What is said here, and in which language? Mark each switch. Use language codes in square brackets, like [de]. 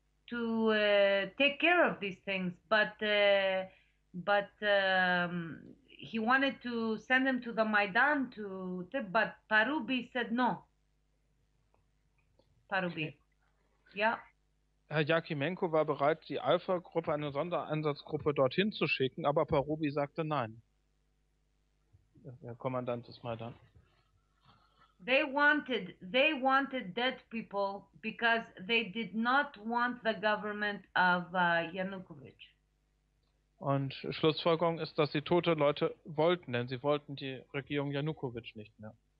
[en] to take care of these things, but he wanted to send them to the Maidan but Parubi said no. [de] Parubi. Ja. Herr Jakimenko war bereit, die Alpha-Gruppe, eine Sondereinsatzgruppe, dorthin zu schicken, aber Parubi sagte nein. Der Kommandant des Maidan. [en] They wanted dead people because they did not want the government of Yanukovych. [de] Und Schlussfolgerung ist, dass sie tote Leute wollten, denn sie wollten die Regierung Janukowitsch nicht mehr.